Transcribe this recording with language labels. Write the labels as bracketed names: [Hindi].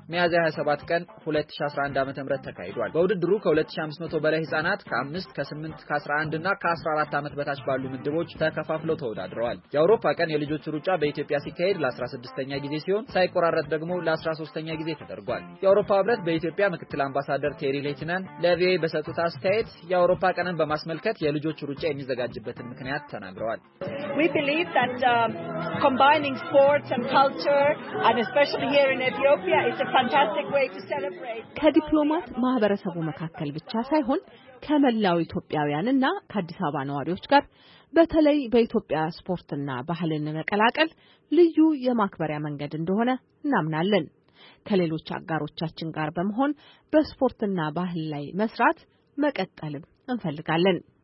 [Amharic] ሚያዝያ 27 ቀን 2011 ዓ.ም ተካሂዷል። በውድድሩ ከ2500 በላይ ህጻናት ከ5 ከ8 ከ11 እና ከ14 ዓመት በታች ባሉ ምድቦች ተከፋፍለው ተወዳድረዋል። የአውሮፓ ቀን የልጆች ሩጫ በኢትዮጵያ ሲካሄድ ለ16ኛ ጊዜ ሲሆን ሳይቆራረጥ ደግሞ ለ13ኛ ጊዜ ተደርጓል። የአውሮፓ ህብረት በኢትዮጵያ ምክትል አምባሳደር ቴሪ ሌትናን ለቪኦኤ በሰጡት አስተያየት የአውሮፓ ቀንን በማስመልከት የልጆች ሩጫ የሚዘጋጅበትን ምክንያት ተናግረዋል። [English] We believe that combining sports and culture and especially here in Ethiopia is a fantastic way to celebrate. [Amharic] ከዲፕሎማት ማህበረሰቡ መካከል ብቻ ሳይሆን ከመላው ኢትዮጵያውያንና ከአዲስ አበባ ነዋሪዎች ጋር በተለይ በኢትዮጵያ ስፖርትና ባህልን መቀላቀል ልዩ የማክበሪያ መንገድ እንደሆነ እናምናለን። ከሌሎች አጋሮቻችን ጋር በመሆን በስፖርትና ባህል ላይ መስራት መቀጠልም እንፈልጋለን።